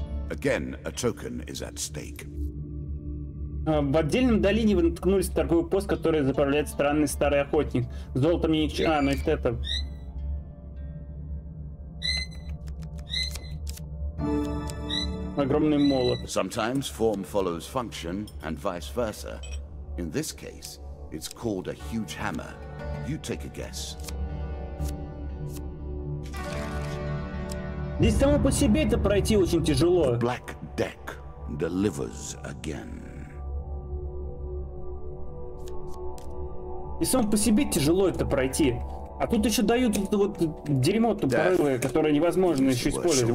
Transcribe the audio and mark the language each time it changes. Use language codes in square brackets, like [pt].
[en] Again, a token is at stake. [ru] В отдельном долине вы наткнулись на торговый пост, который заправляет странный старый охотник. Золото мне не... А, ну это... Огромный молот. [en] Sometimes form follows function, and vice versa. In this case, it's called a huge hammer. You take a guess. [ru] Здесь само по себе это пройти очень тяжело. [en] Black deck delivers again. [ru] И само по себе тяжело это пройти. А тут еще дают вот это вот дерьмо тупорылое, которое невозможно еще использовать.